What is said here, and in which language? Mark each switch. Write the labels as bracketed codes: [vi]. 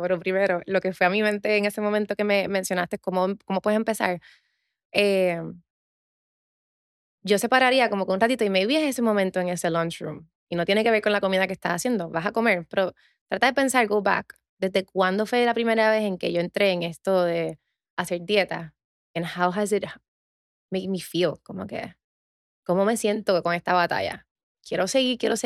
[es] Pero primero, lo que fue a mi mente en ese momento que me mencionaste, ¿cómo puedes empezar? Yo separaría como que un ratito, y maybe es ese momento en ese lunchroom. Y no tiene que ver con la comida que estás haciendo. Vas a comer, pero trata de pensar, [en] go back. [es] ¿Desde cuándo fue la primera vez en que yo entré en esto de hacer dieta? [en] And how has it made me feel? [es] Como que, ¿cómo me siento con esta batalla? ¿Quiero seguir?